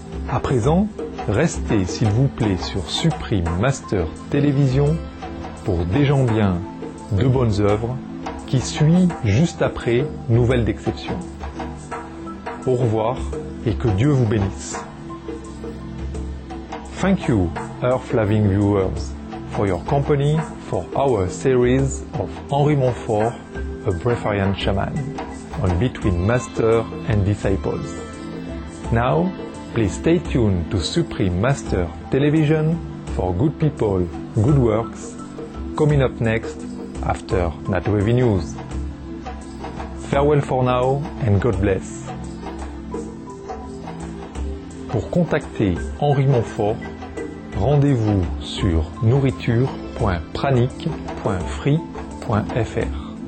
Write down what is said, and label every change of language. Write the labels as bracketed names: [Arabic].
[French] À présent, restez s'il vous plaît sur Supreme Master Télévision pour des gens bien, de bonnes œuvres, qui suit juste après Nouvelle d'exception. Au revoir et que Dieu vous bénisse. [English] Thank you, Earth Loving Viewers, for your company for our series of Henri Montfort, a Breatharian Shaman, on Between Master and Disciples. Now, please stay tuned to Supreme Master Television for Good People, Good Works, coming up next after NatWavy News. Farewell for now and God bless. [French] Pour contacter Henri Montfort, rendez-vous sur nourriture.pranique.free.fr.